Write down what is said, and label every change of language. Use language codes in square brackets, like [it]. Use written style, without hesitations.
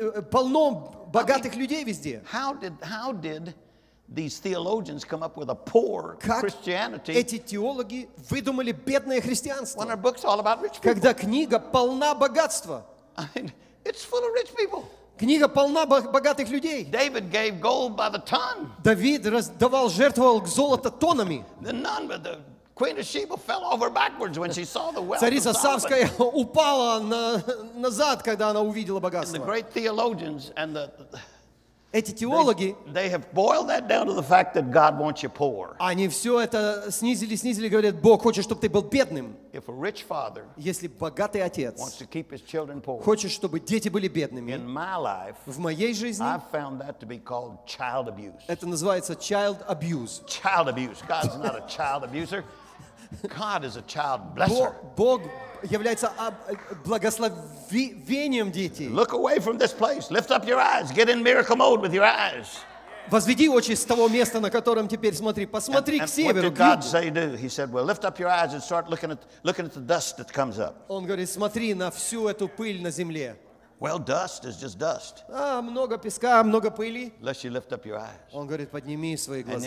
[ru] Полно богатых людей везде. [en] How did these theologians come up with a poor Christianity? [ru] Эти теологи выдумали бедное христианство? [en] When our book's all about rich people. [ru] Когда книга полна богатства. [en] It's full of rich people. [ru] Книга полна богатых людей. [en] David gave gold by the ton. [ru] Давид раздавал жертвовал золото тонами. [en] The Queen of Sheba fell over backwards when she saw the wealth. [ru] Царица Савская упала назад, когда она увидела богатство. [en] And the great theologians and the [ru] эти теологи, [en] they have boiled that down to the fact that God wants you poor. [ru] Они все это снизили, говорят, Бог хочет, чтобы ты был бедным. [en] If a rich father, [ru] если богатый отец, [en] wants to keep his children poor, [ru] хочет, чтобы дети были бедными. [en] In my life, [ru] в моей жизни, [en] I've found that to be called child abuse. [ru] Это называется [en] child abuse. Child abuse. God is not a child abuser. God is a child blesser. [ru] Бог является благословением детей. [en] Look away from this place. Lift up your eyes. Get in miracle mode with your eyes. [ru] Возведи очи с того места, на котором теперь смотри. Посмотри к северу. [en] What did God say to do? He said, "Well, lift up your eyes and start looking at the dust that comes up." [ru] Он говорит, смотри на всю эту пыль на земле. [en] Well, dust is just dust. [ru] Много песка, много пыли. [en] Unless you lift up your eyes. [ru] Он говорит, подними свои глаза.